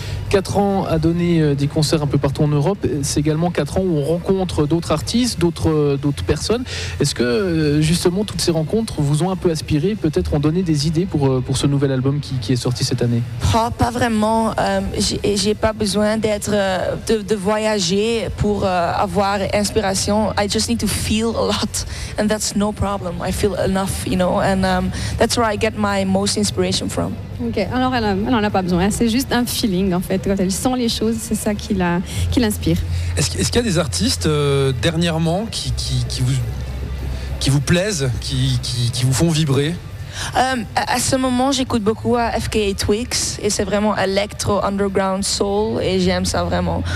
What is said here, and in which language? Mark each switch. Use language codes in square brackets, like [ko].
[fr] 4 ans à donner des concerts un peu partout en Europe, c'est également 4 ans où on rencontre d'autres artistes, d'autres personnes. Est-ce que justement toutes ces rencontres vous ont un peu inspiré, peut-être ont donné des idées pour ce nouvel album qui est sorti cette année? Oh, pas vraiment. J'ai pas besoin d'être de voyager pour avoir inspiration. [en] I just need to feel a lot and that's no problem. I feel enough, you know, and that's where I get my most inspiration from. [fr] Ok, alors elle n'en a pas besoin, hein. C'est juste un feeling en fait, quand elle sent les choses, c'est ça qui l'inspire. Est-ce qu'il y a des artistes dernièrement qui vous plaisent, qui vous font vibrer? À ce moment, j'écoute beaucoup à FKA Twigs et c'est vraiment electro, underground, soul et j'aime ça vraiment.